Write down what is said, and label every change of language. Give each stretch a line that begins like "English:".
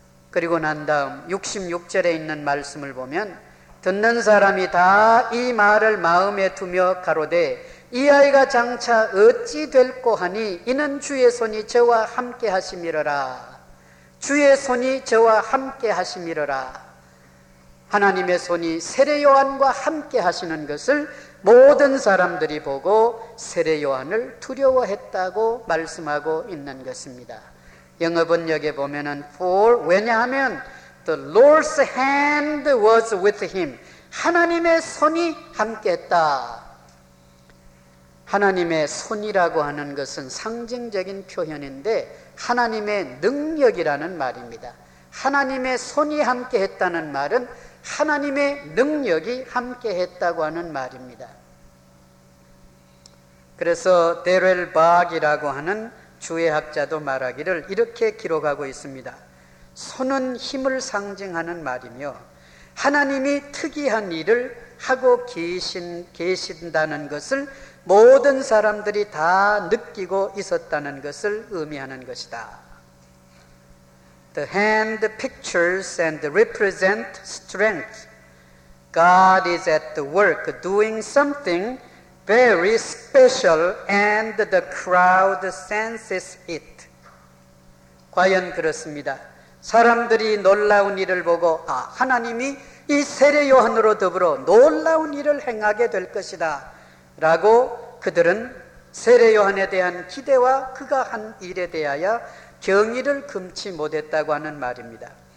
Korean: 그리고 난 다음 66절에 있는 말씀을 보면 듣는 사람이 다 이 말을 마음에 두며 가로되 이 아이가 장차 어찌 될꼬 하니 이는 주의 손이 저와 함께 하심이러라. 주의 손이 저와 함께 하심이러라. 하나님의 손이 세례 요한과 함께 하시는 것을 모든 사람들이 보고 세례 요한을 두려워했다고 말씀하고 있는 것입니다. 영어 번역에 보면은
English: for
Korean: 왜냐하면
English: the Lord's hand was with him.
Korean: 하나님의 손이 함께했다. 하나님의 손이라고 하는 것은 상징적인 표현인데 하나님의 능력이라는 말입니다. 하나님의 손이 함께했다는 말은 하나님의 능력이 함께했다고 하는 말입니다. 그래서 데렐 바악이라고 하는 주의학자도 말하기를 이렇게 기록하고 있습니다. 손은 힘을 상징하는 말이며 하나님이 특이한 일을 하고 계신다는 것을 모든 사람들이 다 느끼고 있었다는 것을 의미하는 것이다.
English: The hand pictures and represent strength. God is at the work doing something very special and the crowd senses it.
Korean: 과연 그렇습니다. 사람들이 놀라운 일을 보고 아 하나님이 이 세례 요한으로 더불어 놀라운 일을 행하게 될 것이다 라고 그들은 세례 요한에 대한 기대와 그가 한 일에 대하여 경의를 금치 못했다고 하는 말입니다.